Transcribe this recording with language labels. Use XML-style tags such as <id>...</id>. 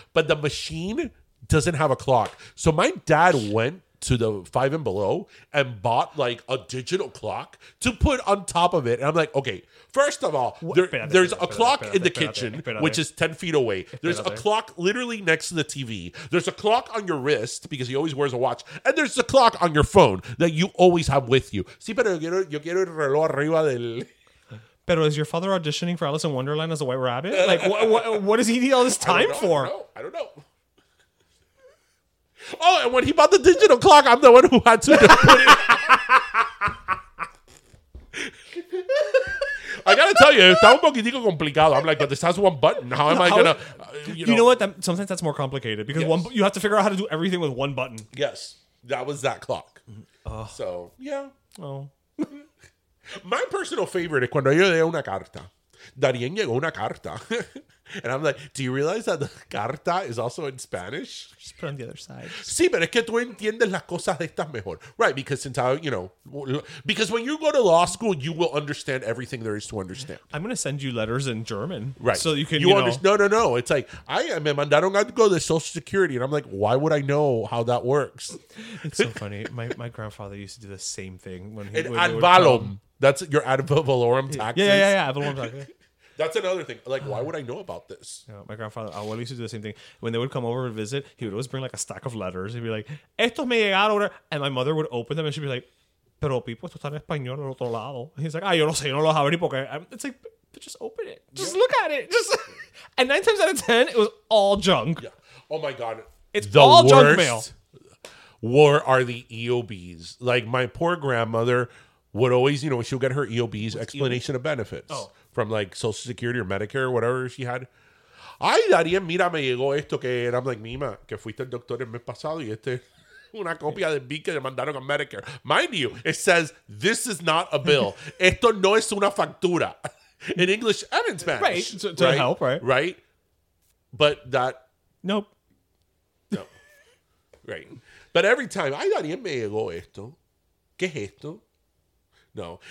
<en>But the machine doesn't have a clock. So my dad went to the Five and Below and bought, like, a digital clock to put on top of it. And I'm like, okay, first of all, there's a clock in the kitchen, which is 10 feet away. There's a clock literally next to the TV. There's a clock on your wrist, because he always wears a watch. And there's a clock on your phone that you always have with you.</en> <es>Sí, pero yo quiero el reloj arriba del...</es> <en>Pero is your father auditioning for Alice in Wonderland as a white rabbit? Like, what does he need all this time for? I don't know. Oh, and when he bought the digital clock, I'm the one who had to put it. I gotta tell you,</en> <es>está un poquitico complicado.</es> <en>I'm like, but this has one button. How am I gonna, you know what? Sometimes that's more complicated, because yes. One, you have to figure out how to do everything with one button. Yes, that was that clock. So, yeah. Oh. My personal favorite is</en> <es>cuando yo leo una carta. Darien llegó una carta.</es> <en>And I'm like, do you realize that the carta is also in Spanish? Just put it on the other side.</en> <es>Sí, pero es que tú entiendes las cosas de esta mejor.</es> <en>Right, because since I, you know, because when you go to law school, you will understand everything there is to understand. I'm going to send you letters in German. Right. So you can, you know. No, no, no. It's like,</en> <es>me mandaron algo de</es> <en>Social Security. And I'm like, why would I know how that works? It's so funny. My grandfather used to do the same thing. Ad valorem. That's your ad valorem taxes. Yeah. Ad valorem taxes. That's another thing. Like, why would I know about this? You know, my grandfather, Abuelo, used to do the same thing. When they would come over and visit, he would always bring like a stack of letters. He'd be like,</en> <es>estos me llegaron.</es> <en>And my mother would open them and she'd be like, pero people,</en> <es>esto está en español al otro lado.</es> <en>And he's like,</en> <es>ah, yo no sé, yo no lo sabré ni porque.</es> <en>It's like, but just open it. Just look at it. Just. And 9 times out of 10, it was all junk. Yeah. Oh my God. It's the all worst junk mail. Where are the EOBs? Like, my poor grandmother would always, you know, she would get her EOBs, what's explanation EOB? Of benefits. Oh. From like Social Security or Medicare or whatever she had.</en> <es>Ay, Daría, mira, me llegó esto que era.</es> <en>I'm like,</en> <es>Mima, que fuiste el doctor el mes pasado y este una copia de bill que le mandaron a Medicare.</es> <en>Mind you, it says, this is not a bill.</en> <es>Esto no es una factura.</es> <en>In English and in Spanish. Right, to right? help, right? Right? But that... Nope.</en> <es>No.</es> <en>Right. But every time,</en> <es>ay, Daría, me llegó esto. ¿Qué es esto? No.</es>